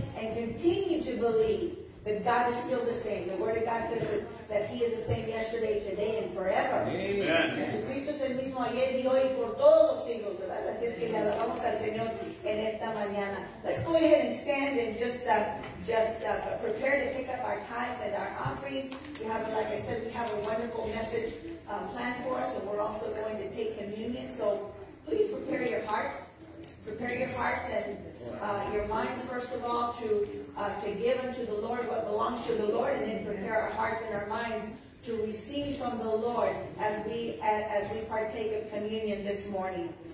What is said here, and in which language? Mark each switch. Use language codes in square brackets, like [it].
[en] And continue to believe that God is still the same. The Word of God says that He is the same yesterday, today, and forever. Amen. [es] Jesucristo es el mismo ayer y hoy por todos los siglos, ¿verdad? Así es que le alabamos al Señor en esta mañana. [en] Let's go ahead and stand and just prepare to pick up our tithes and our offerings. We have, like I said, we have a wonderful message planned for us, and we're also going to take communion. So please prepare your hearts. Prepare your hearts and your minds, first of all, to give unto the Lord what belongs to the Lord, and then prepare our hearts and our minds to receive from the Lord as we partake of communion this morning.